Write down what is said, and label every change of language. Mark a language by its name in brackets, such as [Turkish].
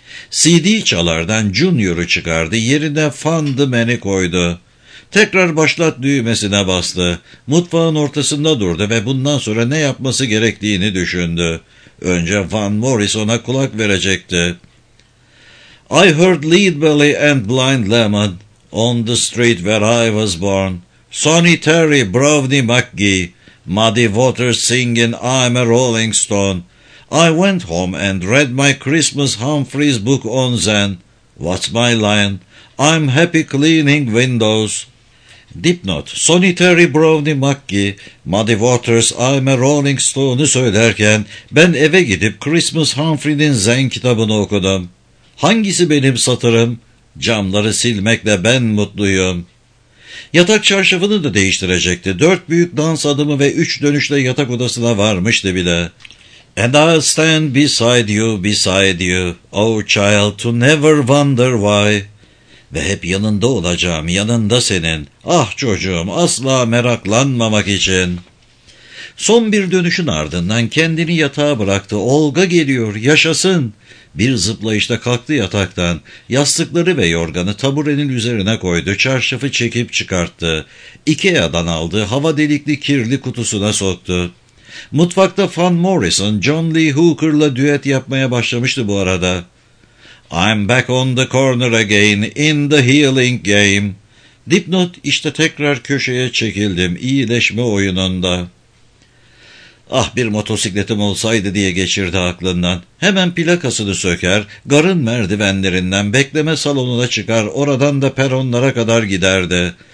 [Turkish] CD çalardan Junior'u çıkardı, yerine Fun the Man'i koydu. Tekrar başlat düğmesine bastı. Mutfağın ortasında durdu ve bundan sonra ne yapması gerektiğini düşündü. Önce Van Morrison'a kulak verecekti. [English] I heard Lead Belly and Blind Lemon on the street where I was born. Sonny Terry, Brownie McGee, Muddy Waters singing I'm a Rolling Stone. I went home and read my Christmas Humphreys book on Zen. What's my line? I'm happy cleaning windows. [Turkish] Dipnot, Sonny Terry, Brownie McGee, Muddy Waters, I'm a Rolling Stone'u söylerken ben eve gidip Christmas Humphrey'nin Zen kitabını okudum. Hangisi benim satırım? Camları silmekle ben mutluyum. Yatak çarşafını da değiştirecekti. Dört büyük dans adımı ve üç dönüşle yatak odasına varmıştı bile. [English] And I'll stand beside you, beside you, oh child, to never wonder why. [Turkish] Ve hep yanında olacağım, yanında senin, ah çocuğum, asla meraklanmamak için. Son bir dönüşün ardından kendini yatağa bıraktı, Olga geliyor, yaşasın. Bir zıplayışta kalktı yataktan, yastıkları ve yorganı taburenin üzerine koydu, çarşafı çekip çıkarttı. Ikea'dan aldığı hava delikli kirli kutusuna soktu. Mutfakta Van Morrison, John Lee Hooker'la düet yapmaya başlamıştı bu arada. [English] I'm back on the corner again, in the healing game. [Turkish] Dipnot, işte tekrar köşeye çekildim, iyileşme oyununda. Ah bir motosikletim olsaydı diye geçirdi aklından. Hemen plakasını söker, garın merdivenlerinden bekleme salonuna çıkar, oradan da peronlara kadar giderdi.